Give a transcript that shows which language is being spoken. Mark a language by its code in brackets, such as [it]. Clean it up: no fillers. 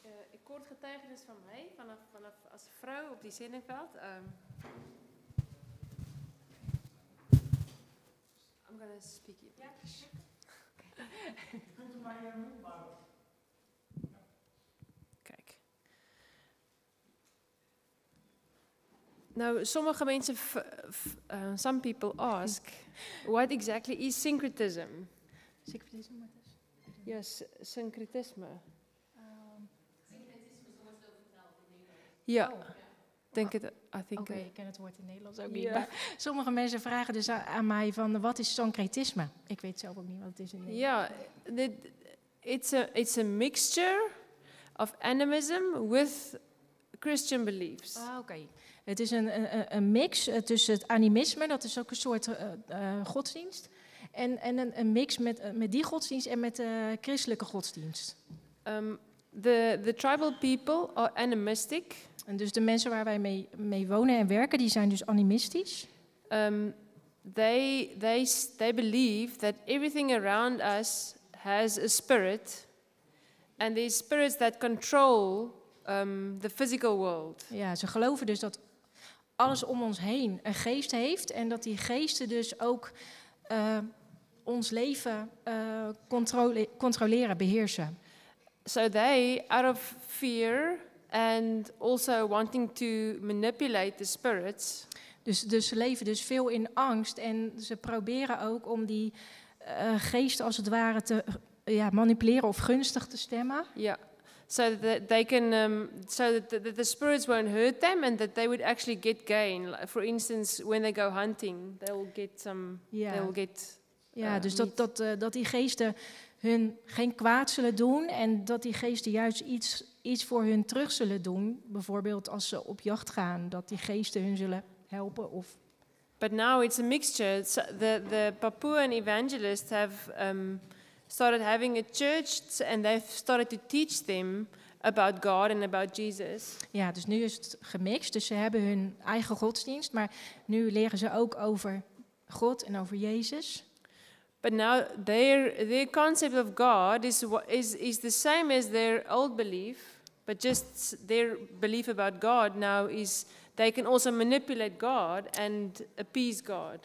[nl] Ik hoor het getuigenis van mij, vanaf als vrouw op die zendingveld. [en] I'm going to speak in English. [nl] Kijk. Nou, sommige mensen, [en] some people ask, what exactly is syncretism? Syncretism, what is? Yes, syncretisme. Syncretisme is almost in Ja. I think [nl] okay, ik ken het woord in Nederlands ook niet. Yeah. Sommige mensen vragen dus aan mij van wat is syncretisme? Ik weet zelf ook niet wat het is in Nederlands. [en] Ja, it's a mixture of animism with Christian beliefs. [nl] Ah, oké. Okay. Het is een mix tussen het animisme, dat is ook een soort godsdienst, en een mix met die godsdienst en met de christelijke godsdienst. [en] The tribal people are animistic. [nl] En dus de mensen waar wij mee wonen en werken, die zijn dus animistisch. [en] They believe that everything around us has a spirit, and these spirits that control the physical world. [nl] Ja, ze geloven dus dat alles om ons heen een geest heeft, en dat die geesten dus ook ons leven controleren, beheersen. [en] So they, out of fear and also wanting to manipulate the spirits. [nl] Dus ze leven dus veel in angst, en ze proberen ook om die geesten als het ware te manipuleren of gunstig te stemmen. [en] Yeah. So that they can so that the spirits won't hurt them and that they would actually get gain. Like for instance, when they go hunting, they'll get some they'll get [nl] dat die geesten hun geen kwaad zullen doen, en dat die geesten juist iets voor hun terug zullen doen. Bijvoorbeeld als ze op jacht gaan, dat die geesten hun zullen helpen of [en] But now it's a mixture. It's the Papuan evangelists have started having a church and they've started to teach them about God and about Jesus. [nl] Ja, dus nu is het gemixt. Dus ze hebben hun eigen godsdienst, maar nu leren ze ook over God en over Jezus. [en] But now their concept of God is the same as their old belief, but just their belief about God now is they can also manipulate God and appease God.